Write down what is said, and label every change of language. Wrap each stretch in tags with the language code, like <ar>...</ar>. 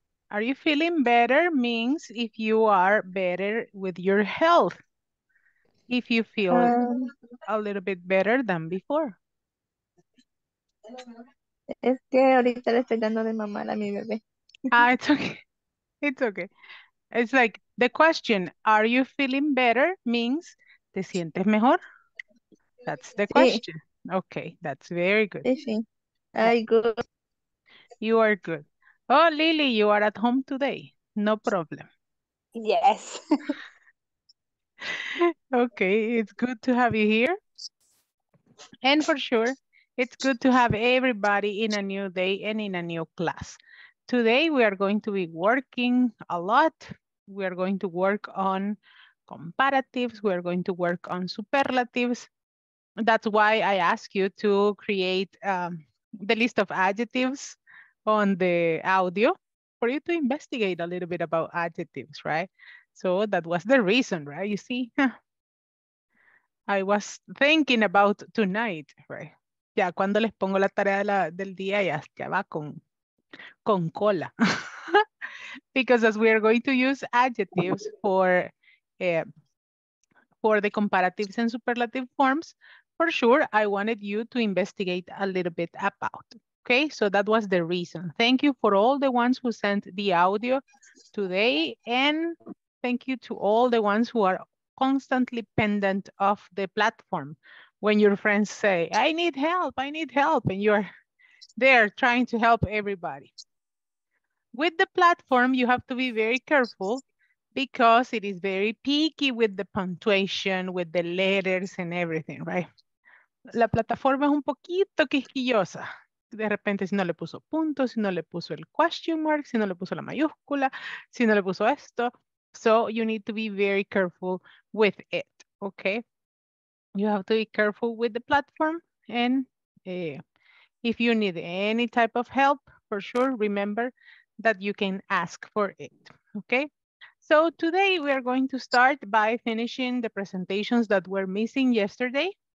<en>Are you feeling better means if you are better with your health, if you feel a little bit better than before.</en> <es>Es que ahorita le estoy dando de mamar a mi bebé.</es> <en>Ah, it's okay. It's okay. It's like the question, are you feeling better means</en> <es>¿te sientes mejor?</es> <en>That's the</en> <es>Sí.</es> <en>question. Okay, that's very good.</en> <es>Sí. Ay,</es> <en>good. You are good. Oh, Lily, you are at home today. No problem. Yes. Okay, it's good to have you here. And for sure, it's good to have everybody in a new day and in a new class. Today, we are going to be working a lot. We are going to work on comparatives. We are going to work on superlatives. That's why I ask you to create the list of adjectives on the audio for you to investigate a little bit about adjectives, right? So that was the reason, right? You see, I was thinking about tonight, right?</en> <es>Ya cuando les pongo la tarea de del día, ya va con cola.</es> <en>Because as we are going to use adjectives for the comparatives and superlative forms, for sure, I wanted you to investigate a little bit about. Okay, so that was the reason. Thank you for all the ones who sent the audio today. And thank you to all the ones who are constantly pendant of the platform. When your friends say, I need help. And you're there trying to help everybody. With the platform, you have to be very careful because it is very picky with the punctuation, with the letters and everything, right?</en> <es>La plataforma es un poquito quisquillosa. De repente, si no le puso punto, si no le puso el question mark, si no le puso la mayúscula, si no le puso esto.</es> <en>So you need to be very careful with it, okay? You have to be careful with the platform. And if you need any type of help, for sure, remember that you can ask for it, okay? So today we are going to start by finishing the presentations that were missing yesterday.</en>